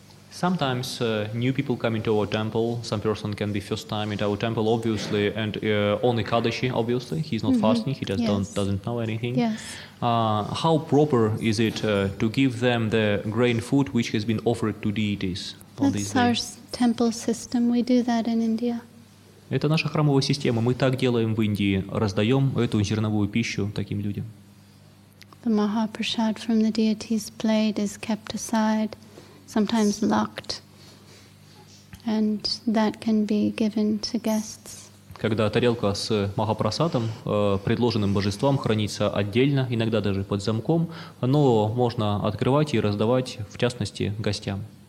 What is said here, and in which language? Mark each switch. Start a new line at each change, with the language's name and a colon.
English: Sometimes new people come into our temple. Some person can be first time in our temple, obviously, and only Kadashi, obviously. He's not fasting. He just doesn't know anything. Yes. How proper is it to give them the grain food which has been offered to deities? That's our temple system. We do that in India.
Russian: Это наша храмовая система. Мы так делаем в Индии. Раздаем эту зерновую пищу таким людям.
English: The Mahaprasad from the deity's plate is kept aside. Sometimes locked, and that can be given to guests.
Russian: Когда тарелка с махапрасадом, предложенным божествам, хранится отдельно, иногда даже под замком, но можно открывать и раздавать, в частности, гостям.